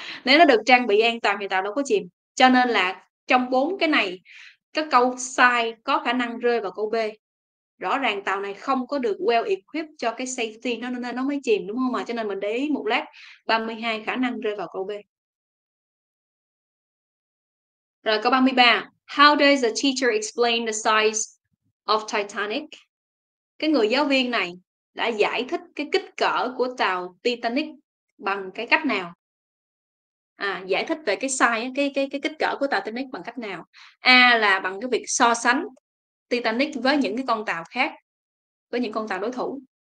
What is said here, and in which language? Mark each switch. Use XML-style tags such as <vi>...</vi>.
<vi>Nếu nó được trang bị an toàn thì tàu đâu có chìm. Cho nên là trong bốn cái này các câu sai có khả năng rơi vào câu B. Rõ ràng tàu này không có được</vi> <en>well equipped</en> <vi>cho cái safety, nó nên nó mới chìm, đúng không mà? Cho nên mình để ý một lát, 32 khả năng rơi vào câu B. Rồi câu 33.</vi> <en>How does the teacher explain the size of Titanic?</en> <vi>Cái người giáo viên này đã giải thích cái kích cỡ của tàu Titanic bằng cái cách nào? À, giải thích về cái size, cái kích cỡ của tàu Titanic bằng cách nào? A là bằng cái việc so sánh Titanic với những cái con tàu khác, với những con tàu đối thủ.</vi>